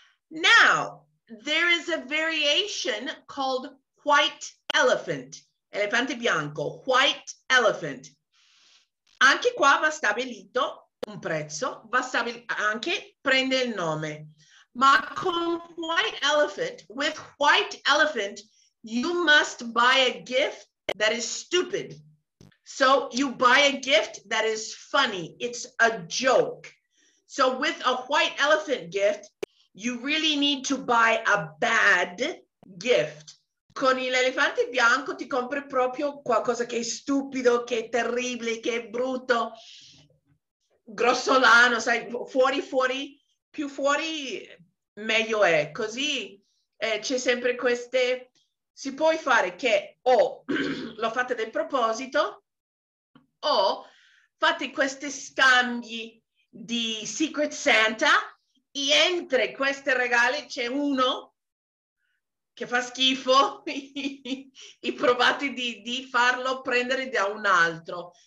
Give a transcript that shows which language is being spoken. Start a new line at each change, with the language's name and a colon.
English: Now, there is a variation called White Elephant.
Italian: Elefante bianco, white elephant. Anche qua va stabilito un prezzo, va anche prende il nome. Ma con
English: white elephant, with white elephant, you must buy a gift that is stupid. So you buy a gift that is funny. It's a joke. So with a white elephant gift, you really need to buy a bad gift.
Italian: Con l'elefante bianco ti compri proprio qualcosa che è stupido, che è terribile, che è brutto, grossolano, sai, fuori, più fuori meglio è. Così c'è sempre queste, si può fare che o lo fate del proposito o fate questi scambi di Secret Santa e entre questi regali c'è uno che fa schifo e provate di farlo prendere da un altro.